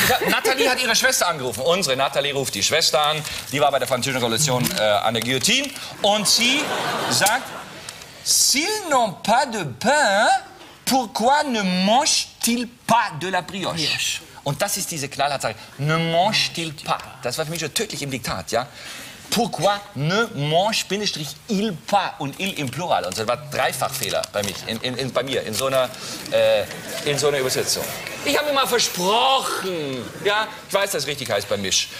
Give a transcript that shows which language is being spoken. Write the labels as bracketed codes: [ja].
[de] Nathalie hat ihre Schwester angerufen. Unsere Nathalie ruft die Schwester an. Die war bei der Französischen Revolution an der Guillotine. Und sie sagt, [fr] s'ils n'ont pas de pain, pourquoi ne mange-t-il pas de la brioche? [de] Und das ist diese knallharte Sache. [fr] Ne mange-t-il pas? [de] Das war für mich schon tödlich im Diktat, ja? [fr] Pourquoi ne mange-il pas [de] und il im Plural? Und das war Dreifachfehler bei mich, in so einer Übersetzung. Ich habe mir mal versprochen. Ja, ich weiß, dass es richtig heißt bei Misch.